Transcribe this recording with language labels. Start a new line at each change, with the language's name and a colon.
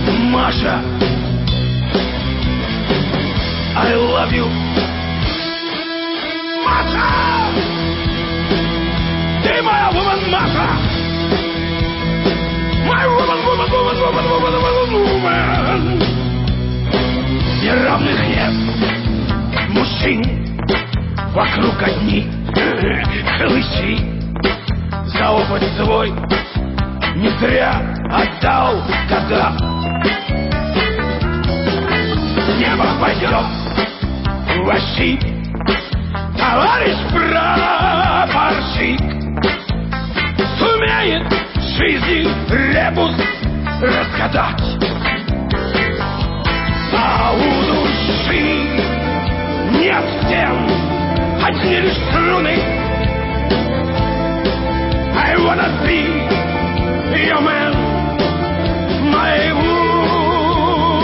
English: Маша, I love you.
Russian: Маша, ты моя
English: woman,
Russian: Маша.
English: My woman, woman, woman, woman, woman, woman, woman, woman.
Russian: Неравных нет мужчин, вокруг одни хлыщи. За опыт свой не зря отдал года. Небо пойдет ваши, товарищ прапорщик, сумеет в жизни ребус разгадать. А у души нет стен, одни лишь струны.
English: I wanna be your man, my woman.